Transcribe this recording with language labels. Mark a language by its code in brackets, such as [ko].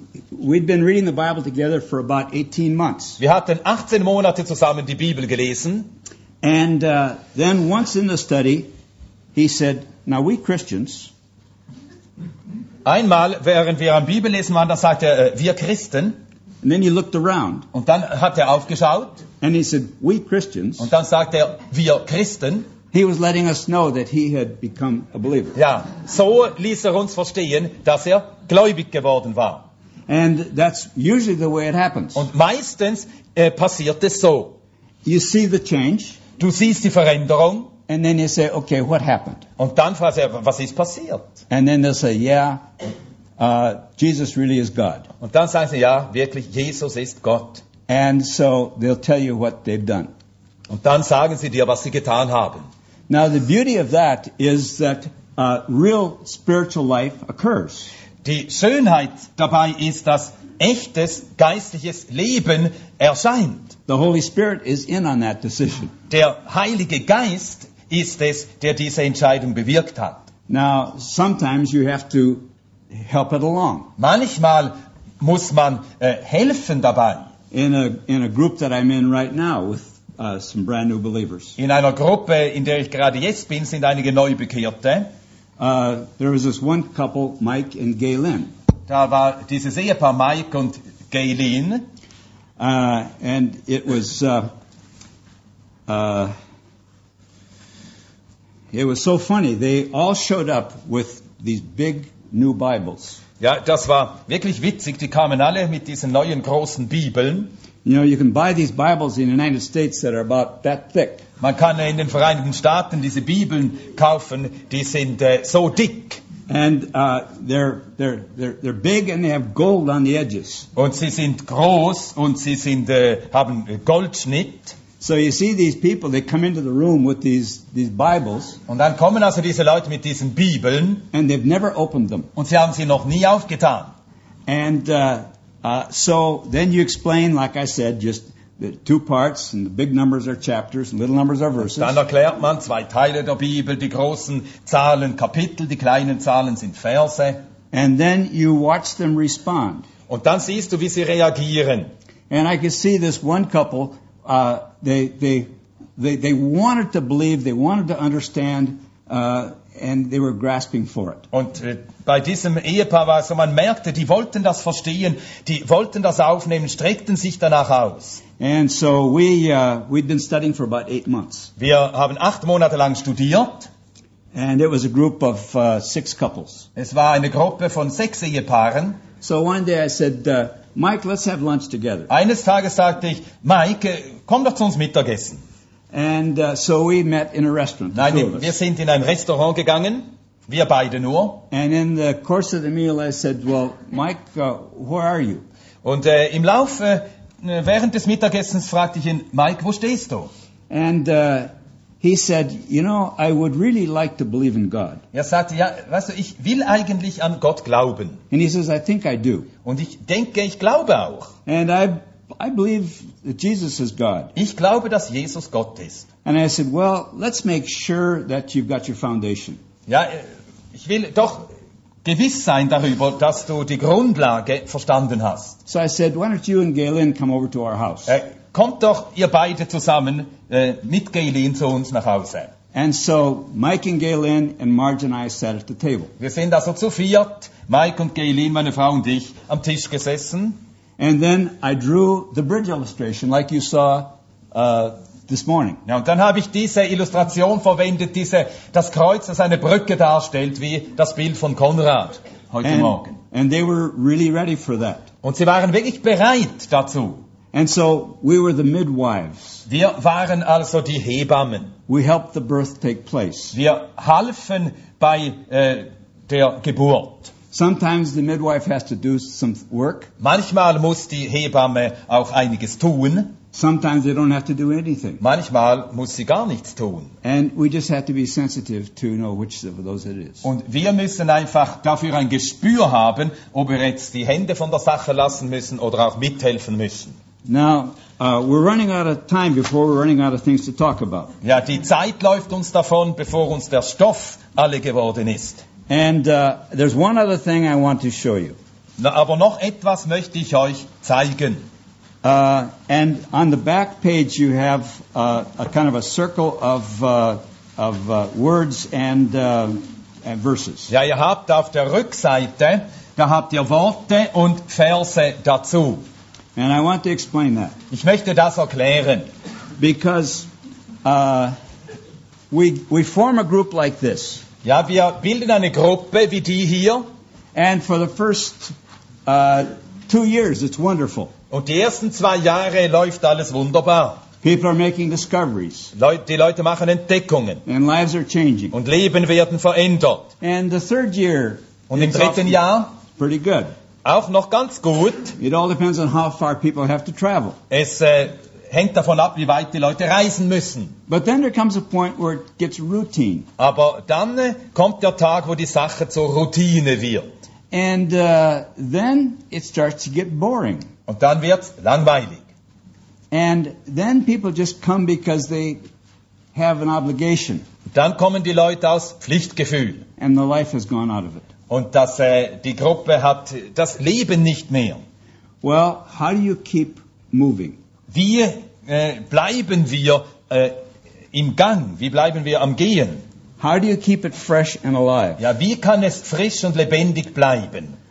[en] We'd been reading the Bible together for about 18 months. [de] Wir hatten 18 Monate zusammen die Bibel gelesen. [en] And then once in the study, he said, now we Christians. [de] Einmal, während wir am Bibellesen waren, da sagte er, wir Christen. [en] And then he looked around. [de] Und dann hat er aufgeschaut. [en] And he said, we Christians. [de] Und dann sagte er, wir Christen. [en] He was letting us know that he had become a believer. [de] Ja, so ließ er uns verstehen, dass er gläubig geworden war. [en] And that's usually the way it happens. [de] Und meistens passiert es so. [en] You see the change. [de] Du siehst die Veränderung. [en] And then you say, okay, what happened? [de] Und dann fragst du, was ist passiert? [en] And then they say, yeah, Jesus really is God. [de] Und dann sagen sie, ja, wirklich, Jesus ist Gott. [en] And so they'll tell you what they've done. [de] Und dann sagen sie dir, was sie getan haben. [en] Now the beauty of that is that real spiritual life occurs. [de] Die Schönheit dabei ist, dass echtes geistliches Leben erscheint. [en] The Holy Spirit is in on that decision. [de] Der Heilige Geist ist es, der diese Entscheidung bewirkt hat. [en] Now, sometimes you have to help it along. [de] Manchmal muss man helfen dabei. [en] In a group that I'm in right now with some brand new believers. [de] In einer Gruppe, in der ich gerade jetzt bin, sind einige Neubekehrte. [en] There was this one couple, Mike and Gaylin. [de] Da war dieses Ehepaar Mike und Gaylin. [en] And it was it was so funny. They all showed up with these big new Bibles. [de] Ja, das war wirklich witzig. Die kamen alle mit diesen neuen großen Bibeln. [en] You know, you can buy these Bibles in the United States that are about that thick. [de] Man kann in den Vereinigten Staaten diese Bibeln kaufen, die sind so dick. [en] And they're big and they have gold on the edges. [de] Und sie sind groß und sie sind haben Goldschnitt. [en] So you see these people, they come into the room with these Bibles. [de] Und dann kommen also diese Leute mit diesen Bibeln. [en] And they've never opened them. [de] Und sie haben sie noch nie aufgetan. [en] And so then you explain, like I said, just the two parts, and the big numbers are chapters, and little numbers are verses. [de] Dann erklärt man zwei Teile der Bibel, die großen Zahlen Kapitel, die kleinen Zahlen sind Verse. [en] And then you watch them respond. [de] Und dann siehst du, wie sie reagieren. [en] And I can see this one couple, they wanted to believe, they wanted to understand, and they were grasping for it. [de] Und bei diesem Ehepaar war es so, man merkte, die wollten das verstehen, die wollten das aufnehmen, streckten sich danach aus. [en] And so we'd been studying for about 8 months. [de] Wir haben 8 Monate lang studiert. [en] And it was a group of 6 couples. [de] Es war eine Gruppe von 6 Ehepaaren. [en] So one day I said, Mike, let's have lunch together. [de] Eines Tages sagte ich, Mike, komm doch zu uns Mittagessen. [en] And so we met in a restaurant. [de] Nein, wir sind in ein Restaurant gegangen. Wir beide nur. [en] And in the course of the meal I said, well, Mike, where are you? [de] Und im Laufe während des Mittagessens fragte ich ihn, Mike, wo stehst du? [en] And he said, you know, I would really like to believe in God. [de] Er sagte, ja, weißt du, ich will eigentlich an Gott glauben. [en] And he says, I think I do. [de] Und ich denke, ich glaube auch. [en] And I believe that Jesus is God. [de] Ich glaube, dass Jesus Gott ist. [en] And I said, well, let's make sure that you've got your foundation. [de] Ja, ich will doch gewiss sein darüber, dass du die Grundlage verstanden hast. [en] So I said, why don't you and Galen come over to our house? [de] Kommt doch ihr beide zusammen mit Galen zu uns nach Hause. [en] And so Mike and Galen and Marge and I sat at the table. [de] Wir sind also zu viert, Mike und Galen, meine Frau und ich, am Tisch gesessen. [en] And then I drew the bridge illustration, like you saw this morning. [de] Ja, und dann habe ich diese Illustration verwendet, das Kreuz, das eine Brücke darstellt, wie das Bild von Konrad heute Morgen. [en] And they were really ready for that. [de] Und sie waren wirklich bereit dazu. [en] And so we were the midwives. [de] Wir waren also die Hebammen. [en] We helped the birth take place. [de] Wir halfen bei der Geburt. [en] Sometimes the midwife has to do some work. [de] Manchmal muss die Hebamme auch einiges tun. [en] Sometimes they don't have to do anything. [de] Manchmal muss sie gar nichts tun. [en] And we just have to be sensitive to know which of those it is. [de] Und wir müssen einfach dafür ein Gespür haben, ob wir jetzt die Hände von der Sache lassen müssen oder auch mithelfen müssen. [en] Now, we're running out of time before we're running out of things to talk about. [de] Ja, die Zeit läuft uns davon, bevor uns der Stoff alle geworden ist. [en] And there's one other thing I want to show you. [de] Na, aber noch etwas möchte ich euch zeigen. [en] And on the back page you have a kind of a circle of words and verses. [de] Ja, ihr habt auf der Rückseite, da habt ihr Worte und Verse dazu. [en] And I want to explain that. [de] Ich möchte das erklären. [en] Because we form a group like this. [de] Ja, wir bilden eine Gruppe wie die hier. [en] And for the first 2 years, it's wonderful. [de] Und die ersten 2 Jahre läuft alles wunderbar. [en] People are making discoveries. [de] Die Leute machen Entdeckungen. [en] And lives are changing. [de] Und Leben werden verändert. [en] And the third year, [de] und im dritten Jahr, [en] pretty good. [de] Auch noch ganz gut. [en] It all depends on how far people have to travel. [de] Es hängt davon ab, wie weit die Leute reisen müssen. [en] But then there comes a point where it gets routine. [de] Aber dann kommt der Tag, wo die Sache zur Routine wird. [en] And then it starts to get boring. [de] Und dann wird es langweilig. [en] And then people just come because they have an obligation. [de] Dann kommen die Leute aus Pflichtgefühl. [en] And the life has gone out of it. [de] Und dass die Gruppe hat das Leben nicht mehr. [en] Well, how do you keep moving? [de] Wie bleiben wir im Gang? Wie bleiben wir am Gehen? [en] How do you keep it fresh and alive? [de] Ja, wie kann es frisch und lebendig bleiben?